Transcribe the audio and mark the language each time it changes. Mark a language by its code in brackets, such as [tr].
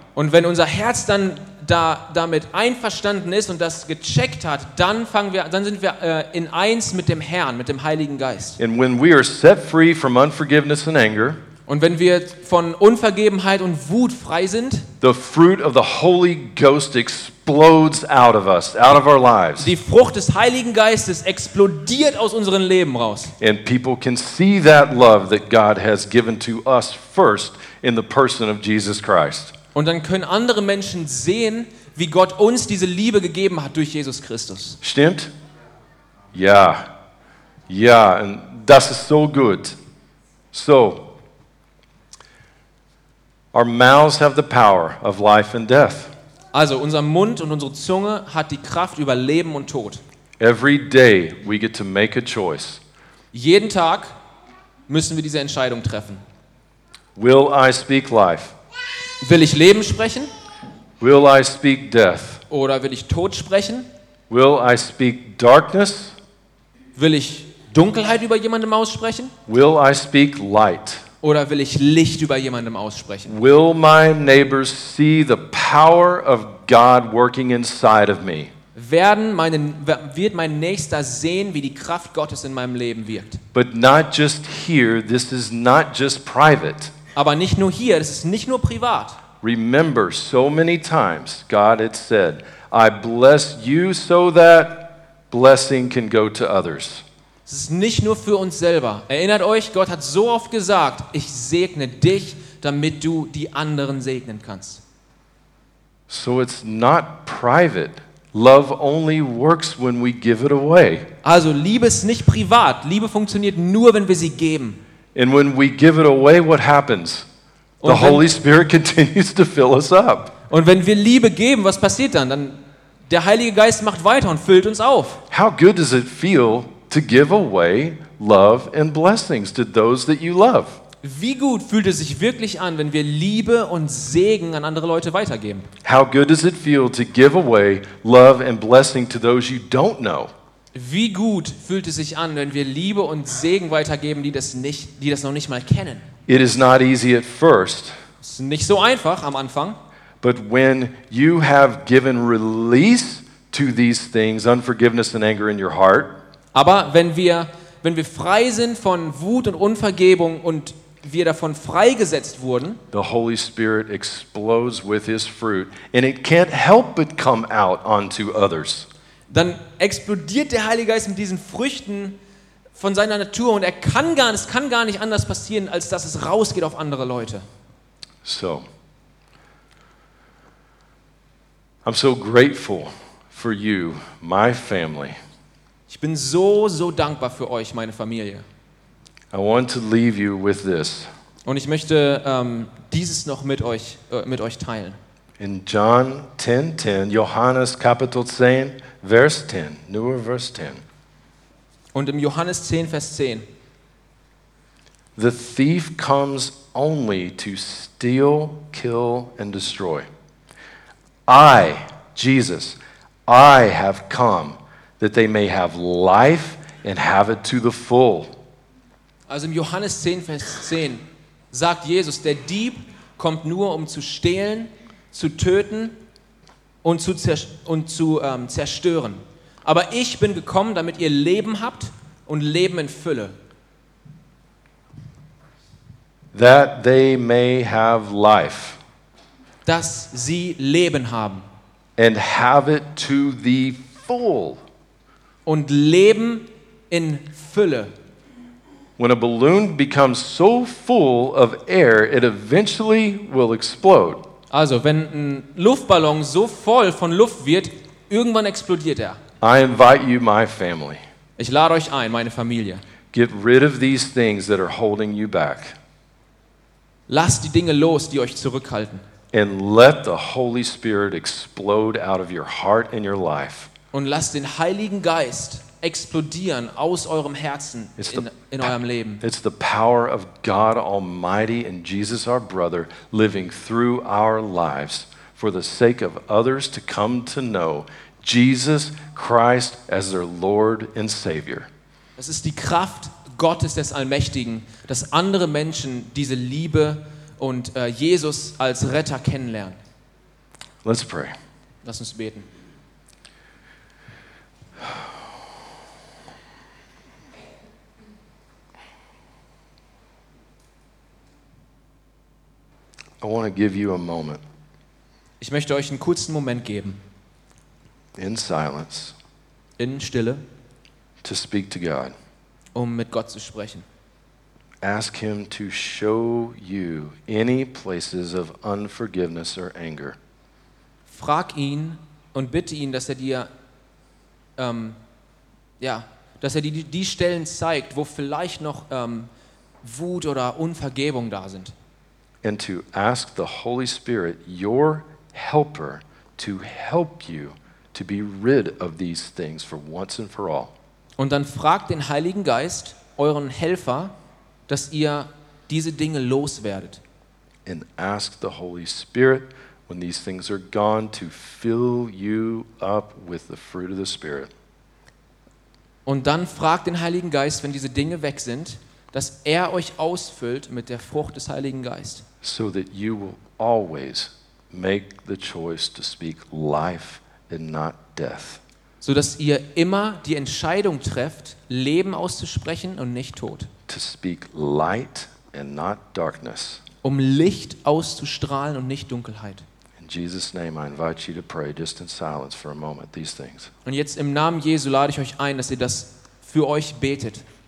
[de] Und wenn unser Herz dann damit einverstanden ist und das gecheckt hat, dann sind wir in eins mit dem Herrn, mit dem Heiligen Geist. [en] And when we are set free from unforgiveness and anger, [de] und wenn wir von Unvergebenheit und Wut frei sind, [en] the fruit of the Holy Ghost explodes out of us, out of our lives. [de] Die Frucht des Heiligen Geistes explodiert aus unseren Leben raus. [en] And people can see that love that God has given to us first in the person of Jesus Christ. [de] Und dann können andere Menschen sehen, wie Gott uns diese Liebe gegeben hat durch Jesus Christus. Stimmt? Ja. Ja, und das ist so gut. So. [en] Our mouths have the power of life and death. [de] Also unser Mund und unsere Zunge hat die Kraft über Leben und Tod. [en] Every day we get to make a choice. [de] Jeden Tag müssen wir diese Entscheidung treffen. [en] Will I speak life? [de] Will ich Leben sprechen? [en] Will I speak death? [de] Oder will ich Tod sprechen? [en] Will I speak darkness? [de] Will ich Dunkelheit über jemandem aussprechen? [en] Will I speak light? [de] Oder will ich Licht über jemandem aussprechen? [en] Will my neighbors see the power of God working inside of me? [de] Wird mein Nächster sehen, wie die Kraft Gottes in meinem Leben wirkt? [en] But not just here, this is not just private. [de] Aber nicht nur hier, das ist nicht nur privat. [en] Remember, so many times God had said, I bless you so that blessing can go to others. [de] Es ist nicht nur für uns selber. Erinnert euch, Gott hat so oft gesagt, ich segne dich, damit du die anderen segnen kannst. [en] So it's not private. Love only works when we give it away. [de] Also Liebe ist nicht privat. Liebe funktioniert nur, wenn wir sie geben. [en] And when we give it away, what happens? The Holy Spirit continues to fill us up. [de] Und wenn wir Liebe geben, was passiert dann? Dann der Heilige Geist macht weiter und füllt uns auf. [en] How good does it feel to give away love and blessings to those that you love? [de] Wie gut fühlt es sich wirklich an, wenn wir Liebe und Segen an andere Leute weitergeben? [en] How good does it feel to give away love and blessing to those you don't know? [de] Wie gut fühlt es sich an, wenn wir Liebe und Segen weitergeben, die das noch nicht mal kennen? [en] It is not easy at first. [de] Es ist nicht so einfach am Anfang. [en] But when you have given release to these things, unforgiveness and anger in your heart. [de] Aber wenn wir frei sind von Wut und Unvergebung und wir davon freigesetzt wurden, [en] the Holy Spirit explodes with his fruit and it can't help but come out onto others. [de] Dann explodiert der Heilige Geist mit diesen Früchten von seiner Natur und es kann gar nicht anders passieren, als dass es rausgeht auf andere Leute. [en] So. I'm so grateful for you, my family. [de] Ich bin so, so dankbar für euch, meine Familie. [en] I want to leave you with this. [de] Und ich möchte dieses noch mit euch teilen. [en] In John 10:10, [de] Johannes Kapitel 10, Vers 10, nur Vers 10. Und im Johannes 10, Vers 10. [en] The thief comes only to steal, kill and destroy. I, Jesus, I have come that they may have life and have it to the full. [de] Also im Johannes 10, Vers 10 sagt Jesus, der Dieb kommt nur, um zu stehlen, zu töten und zu zerstören. Aber ich bin gekommen, damit ihr Leben habt und Leben in Fülle. [en] That they may have life. [de] Dass sie Leben haben. [en] And have it to the full. [de] Und Leben in Fülle. [en] When a balloon becomes so full of air, it eventually will explode. [de] Also, wenn ein Luftballon so voll von Luft wird, irgendwann explodiert er. [en] I invite you, my family. [de] Ich lade euch ein, meine Familie. [en] Get rid of these things that are holding you back. [de] Lasst die Dinge los, die euch zurückhalten. [en] And let the Holy Spirit explode out of your heart and your life. [de] Und lasst den Heiligen Geist explodieren aus eurem Herzen in eurem Leben. [en] It's the power of God Almighty and Jesus our brother living through our lives for the sake of others to come to know Jesus Christ as their Lord and Savior. [de] Es ist die Kraft Gottes des Allmächtigen, dass andere Menschen diese Liebe und Jesus als Retter kennenlernen. [en] Let's pray. [de] Lass uns beten. [en] I want to give you a moment. [de] Ich möchte euch einen kurzen Moment geben. [en] In silence. [de] In Stille. [en] To speak to God. [de] Um mit Gott zu sprechen. [en] Ask him to show you any places of unforgiveness or anger. [de] Frag ihn und bitte ihn, dass er dir dass er dir die Stellen zeigt, wo vielleicht noch Wut oder Unvergebung da sind. [en] And to ask the Holy Spirit, your helper, to help you to be rid of these things for once and for all. [de] Und dann fragt den Heiligen Geist, euren Helfer, dass ihr diese Dinge loswerdet. [en] And ask the Holy Spirit, when these things are gone, to fill you up with the fruit of the Spirit. [de] Und dann fragt den Heiligen Geist, wenn diese Dinge weg sind, dass er euch ausfüllt mit der Frucht des Heiligen Geistes. [en] So that you will always make the choice to speak life and not death. [de] So dass ihr immer die Entscheidung trefft, Leben auszusprechen und nicht Tod. [en] To speak light and not darkness. [de] Um Licht auszustrahlen und nicht Dunkelheit. [en] In Jesus' name, I invite you to pray just in silence for a moment these things. [de] Und jetzt im Namen Jesu lade ich euch ein, dass ihr das für euch betet.